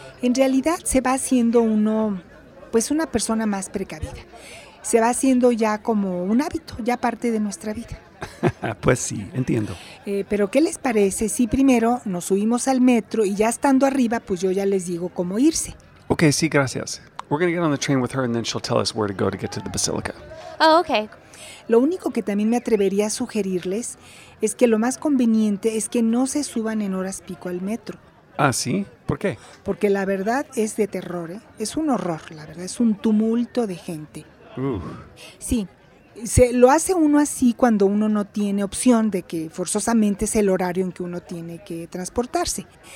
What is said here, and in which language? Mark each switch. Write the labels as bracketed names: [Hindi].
[Spanish] En realidad se va haciendo uno, pues una persona más precavida. Se va haciendo ya como un hábito, ya parte de nuestra vida. Pues sí, entiendo. Pero ¿qué les parece si primero nos subimos al metro y ya estando arriba, pues yo ya les digo cómo irse? Okay, sí, gracias. [English] We're going to get on the train with her and then she'll tell us where to get to the basilica. Oh, okay. [Spanish] Lo único que también me atrevería a sugerirles es que lo más conveniente es que no se suban en horas pico al metro. Ah, ¿sí? ¿Por qué? Porque la verdad es de terror, ¿eh? Es un horror, la verdad, es un tumulto de gente. Sí, se lo hace uno así cuando uno no tiene opción de que forzosamente es el horario en que uno tiene que transportarse.